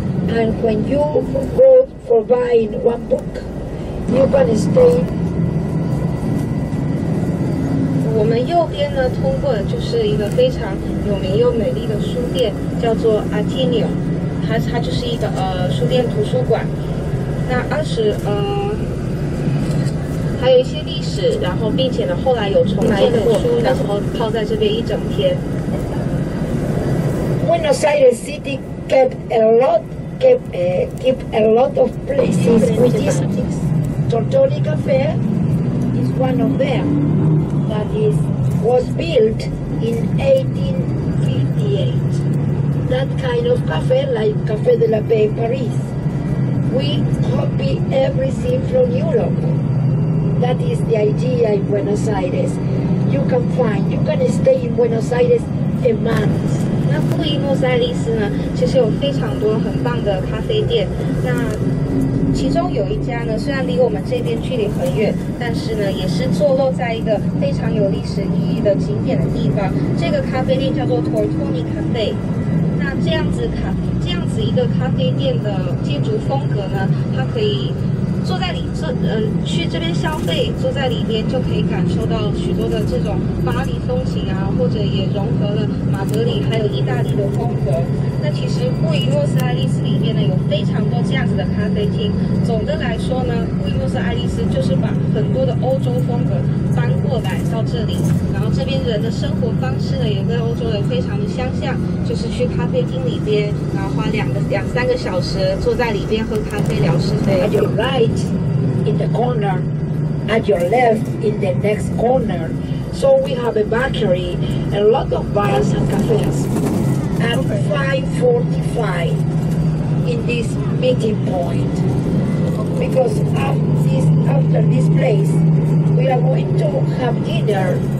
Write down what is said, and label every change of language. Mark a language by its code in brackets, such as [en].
[en] And when you go for buying one book, you can stay. [zh] 我们右边呢通过的就是一个非常有名又美丽的书店，叫做 Atenio， 它就是一个书店图书馆。那二十还有一些历史，然后并且呢后来有重建过，然后泡在这边一整天。 [en] Buenos Aires City kept a lot of places with this. Tortoni Cafe is one of them. Was built in 1858. That kind of cafe, like Café de la Paix Paris. We copy everything from Europe. That is the idea in Buenos Aires. You can stay in Buenos Aires a month. [zh] 那布宜诺斯艾利斯呢其实有非常多很棒的咖啡店，那其中有一家呢虽然离我们这边距离很远，但是呢也是坐落在一个非常有历史意义的景点的地方，这个咖啡店叫做 Tortoni Cafe。那这样子一个咖啡店的建筑风格呢，它可以坐在里去这边消费，坐在里边就可以感受到许多的这种巴黎风情啊，或者也融合了马德里还有意大利的风格。那其实布宜诺斯艾利斯里面呢有非常多这样子的咖啡厅。总的来说呢，布宜诺斯艾利斯就是把很多的欧洲风格搬过来到这里，然后这边人的生活方式呢也跟欧洲人非常的相像，就是去咖啡厅里边，然后花两三个小时坐在里边喝咖啡聊是非。 [en] At your right in the corner, at your left in the next corner, so we have a bakery, a lot of bars and cafes. At 5:45 in this meeting point, because after this place, we are going to have dinner.